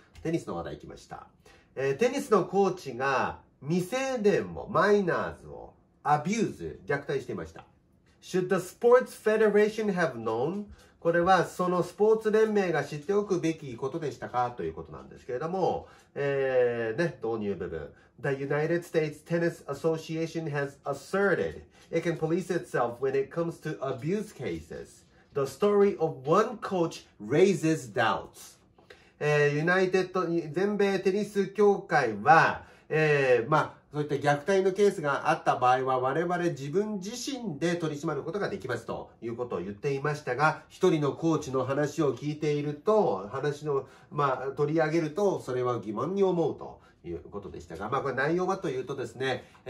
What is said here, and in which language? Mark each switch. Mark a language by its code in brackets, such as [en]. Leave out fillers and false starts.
[ja] テニスの話題いきました。テニスのコーチが未成年もマイナーズをアビューズ、虐待していました。 [en] Should the sports federation have known? [ja] これはそのスポーツ連盟が知っておくべきことでしたかということなんですけれども、ね、導入部分。 [en] The United States Tennis Association has asserted it can police itself when it comes to abuse cases. The story of one coach raises doubts. [ja] ユナイテッド全米テニス協会は、まあ、そういった虐待のケースがあった場合は我々自分自身で取り締まることができますということを言っていましたが、一人のコーチの話を聞いていると話の、まあ、取り上げるとそれは疑問に思うということでしたが、まあ、これ内容はというとですね、